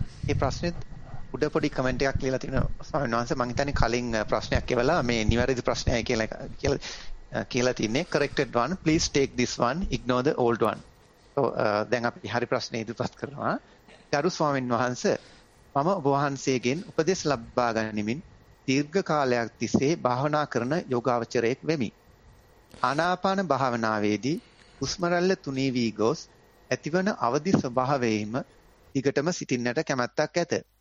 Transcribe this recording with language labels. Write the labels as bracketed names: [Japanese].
[Sinhala] ඒ ප්‍රශ්නෙත් උඩ පොඩි කමෙන්ට් එකක් ලියලා තිනවා ස්වාමීනන්ස. මං හිතන්නේ කලින් ප්‍රශ්නයක් කියලා මේ නිවැරදි ප්‍රශ්නයයි කියලා තින්නේ. [English] corrected one, please take this one, ignore the old one. [Sinhala] ඔව් දැන් අපි හරි ප්‍රශ්නේ ඉදපත් කරනවා. ගරු ස්වාමින්වහන්ස, මම ඔබ වහන්සේගෙන් උපදෙස් ලබා ගනිමින් දීර්ඝ කාලයක් තිස්සේ භාවනා කරන යෝගාවචරයෙක් වෙමි. ආනාපාන භාවනාවේදී උස්මරල්ල තුනී වී ගොස් ඇතිවන අවදි ස්වභාවයෙහිම දිගටම සිටින්නට කැමැත්තක් ඇත.